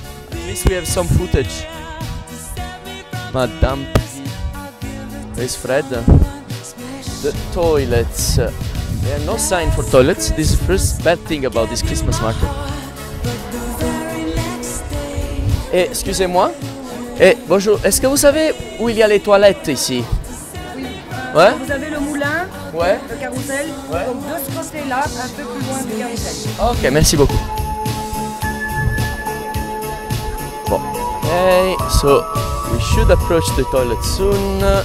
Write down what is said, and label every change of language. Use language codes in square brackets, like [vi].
[en] At least we have some footage. Madame, where's Fred? The toilets. There are no signs for toilets. This is the first bad thing about this Christmas market. [fr] Eh, excusez-moi. Eh, bonjour. Est-ce que vous savez où il y a les toilettes ici? Oui. Ouais. Vous avez le moulin, ouais. Le carrousel, ouais. Donc de ce côté-là, un peu plus loin du carrousel. Ok, merci beaucoup. Bon. [en] Okay, so we should approach the toilet soon.